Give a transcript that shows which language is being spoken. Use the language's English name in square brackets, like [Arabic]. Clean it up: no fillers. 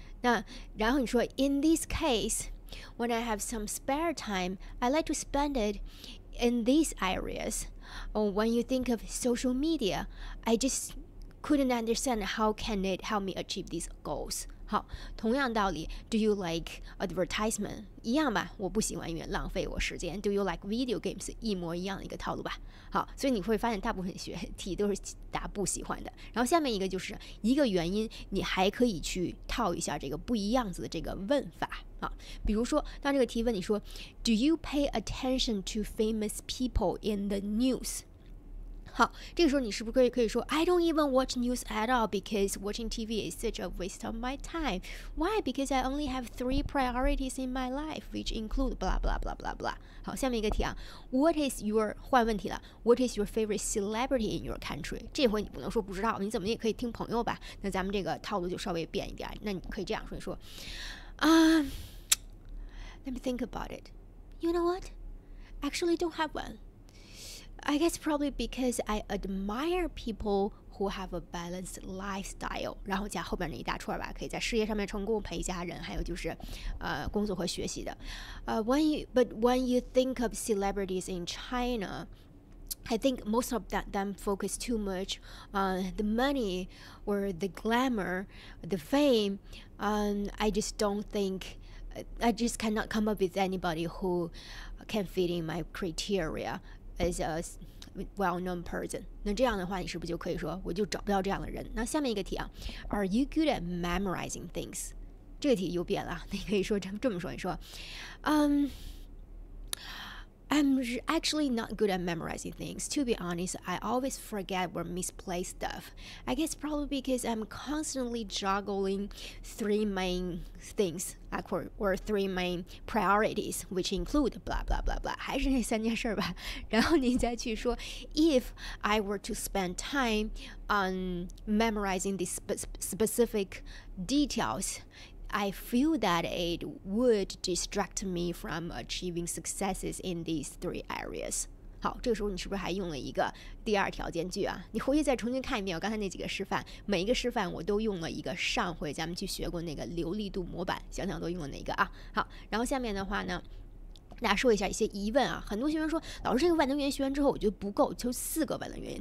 [Chinese] 那然后你说 [English] In this case, when I have some spare time, I like to spend it in these areas. Or when you think of social media, I just couldn't understand how can it help me achieve these goals. [Chinese] 好，同样道理 [English] Do you like advertisement? [Chinese] 一样吧，我不喜欢因为浪费我时间。 [English] Do you like video games? [Chinese] 一模一样的一个套路吧。好，所以你会发现大部分学题都是答不喜欢的。然后下面一个就是一个原因，你还可以去套一下这个不一样子的这个问法啊。比如说当这个题问你说 [English] Do you pay attention to famous people in the news? [Chinese] 好，这个时候你是不是可以说 [English] I don't even watch news at all because watching TV is such a waste of my time. Why? Because I only have 3 priorities in my life which include blah blah blah blah blah. [Chinese] 好，下面一个题啊， [English] What is your [Chinese] 换问题了， [English] What is your favorite celebrity in your country? [Chinese] 这回你不能说不知道，你怎么也可以听朋友吧。那咱们这个套路就稍微变一点，那你可以这样说，你说 [English] Let me think about it. You know what? Actually don't have one. I guess probably because I admire people who have a balanced lifestyle. [Chinese] 然后加后面那一大串吧，可以在事业上面成功，陪家人，还有就是工作和学习的。 [English] When you think of celebrities in China, I think most of them focus too much on the money or the glamour, the fame. I just cannot come up with anybody who can fit in my criteria as a well-known person. [Chinese] 那这样的话你是不是就可以说我就找不到这样的人。那下面一个题啊， [English] Are you good at memorizing things? [Chinese] 这个题又变了，你可以说这么说，你说 [English] I'm actually not good at memorizing things. To be honest, I always forget or misplace stuff. I guess probably because I'm constantly juggling 3 main things, or 3 main priorities, which include blah blah blah blah. [Chinese] 还是那三件事吧。然后你再去说 [English] If I were to spend time on memorizing these specific details,I feel that it would distract me from achieving successes in these 3 areas. [Chinese] 好，这个时候你是不是还用了一个第二条件句啊？你回去再重新看一遍我刚才那几个示范，每一个示范我都用了一个上回咱们去学过那个流利度模板，想想都用了哪个啊？好，然后下面的话呢，大家说一下一些疑问啊。很多学生说老师这个万能原因学完之后我觉得不够，就四个万能原因。